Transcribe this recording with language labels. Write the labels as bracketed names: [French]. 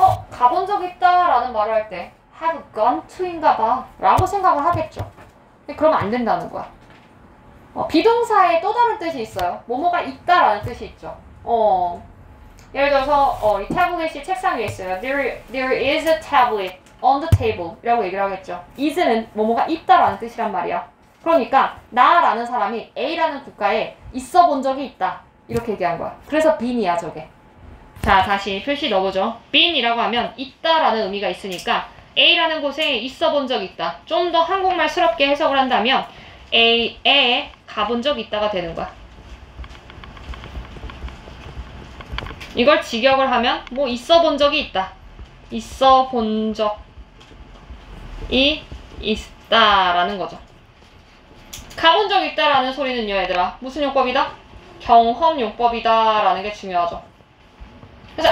[Korean] 가본 적 있다 라는 말을 할 때 [English] have gone to [Korean] 인가 봐 라고 생각을 하겠죠. 근데 그럼 안 된다는 거야. 비동사에 또 다른 뜻이 있어요. 뭐뭐가 있다 라는 뜻이 있죠. 예를 들어서 이 태블릿이 책상 위에 있어요. [English] There is a tablet on the table [Korean] 라고 얘기를 하겠죠. is는 뭐뭐가 있다 라는 뜻이란 말이야. 그러니까 나라는 사람이 A라는 국가에 있어 본 적이 있다 이렇게 얘기한 거야. 그래서 been이야 저게. 자, 다시 표시 넣어보죠. been이라고 하면 있다 라는 의미가 있으니까 A라는 곳에 있어 본적 있다. 좀더한국말스럽게해석을한다면 A에 가본적있다가되는거야이걸직역을하면뭐있어본적이있다있어본적이있다라는거죠가본적있다라는소리는요얘들아무슨용법이다경험용법이다라는게중요하죠그래서